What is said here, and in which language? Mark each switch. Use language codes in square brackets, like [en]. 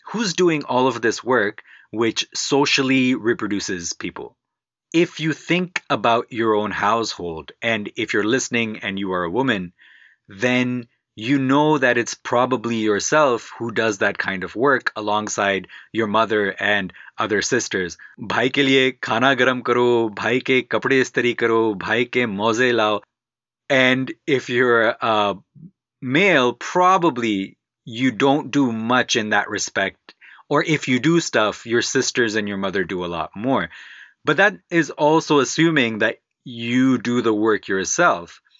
[en] Who's doing all of this work which socially reproduces people? If you think about your own household, and if you're listening and you are a woman, then you know that it's probably yourself who does that kind of work alongside your mother and other sisters. [ur] بھائی کے لیے کھانا گرم کرو، بھائی کے کپڑے استری کرو، بھائی کے موزے لاؤ۔ [en] And if you're a male, probably you don't do much in that respect. Or if you do stuff, your sisters and your mother do a lot more. But that is also assuming that you do the work yourself.